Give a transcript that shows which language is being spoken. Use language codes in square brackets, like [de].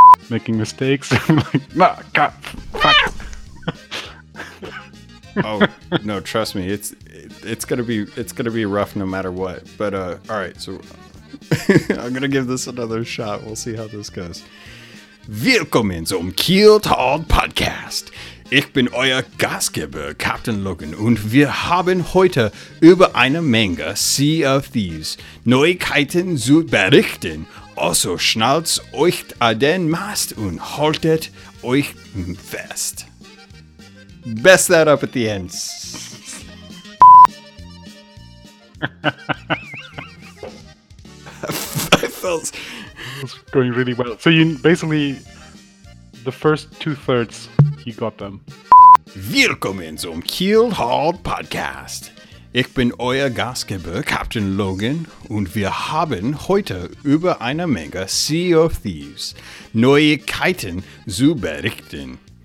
[en] Making mistakes. I'm like, nah, God, fuck. Oh no, trust me, it's gonna be rough no matter what. But all right, so I'm gonna give this another shot. We'll see how this goes. [de] Willkommen zum Kieltalk Podcast. Ich bin euer Gastgeber, Captain Logan, und wir haben heute über eine Menge Sea of Thieves Neuigkeiten zu berichten. Also schnallt euch an den Mast und haltet euch fest. [en] Best that up at the end. It's going really well. So you basically, the first two-thirds, you got them. [de] Willkommen zum Kielhard Podcast. Ich bin euer Gastgeber, Captain Logan, und wir haben heute über eine Menge Sea of Thieves Neuigkeiten zu berichten.